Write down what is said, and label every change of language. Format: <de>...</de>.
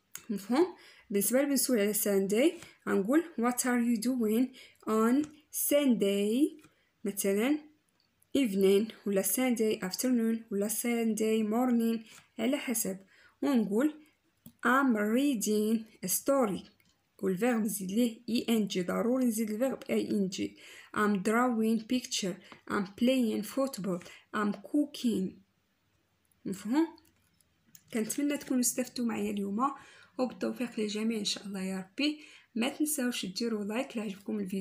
<ar>مفهوم؟ بالنسبه للمسؤول على ساندي غنقول</ar> <en>what are you doing on Sunday</en> <ar>مثلا evening، ولا Sunday afternoon، ولا Sunday morning، على حسب. ونقول</ar> <en>I'm reading a story،</en> <ar>والفيرب نزيد ليه ing، ضروري نزيد الفيرب ing.</ar> <en>I'm drawing picture، I'm playing football، I'm cooking.</en> <ar>مفهوم؟ كنتمنى تكونوا استفدتوا معي اليوم، وبالتوفيق للجميع ان شاء الله يا ربي. ما تنساوش ديروا لايك لعجبكم الفيديو.</ar>